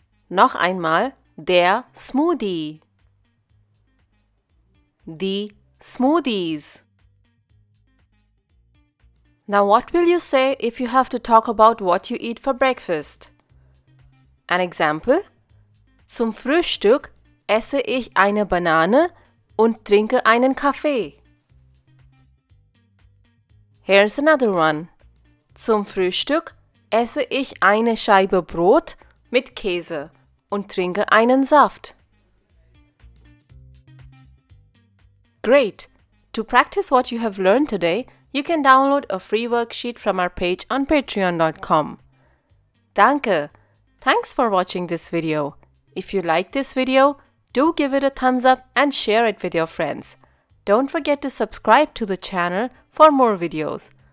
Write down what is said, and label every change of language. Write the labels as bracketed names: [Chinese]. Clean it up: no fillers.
[German] Noch einmal, der Smoothie. Die Smoothies. [English] Now what will you say if you have to talk about what you eat for breakfast? An example? [German] Zum Frühstück esse ich eine Banane und trinke einen Kaffee. [English] Here's another one. [German] Zum Frühstück esse ich eine Scheibe Brot mit Käse und trinke einen Saft. [English] Great! To practice what you have learned today, you can download a free worksheet from our page on patreon.com. Danke! Thanks for watching this video. If you like this video, do give it a thumbs up and share it with your friends. Don't forget to subscribe to the channel for more videos.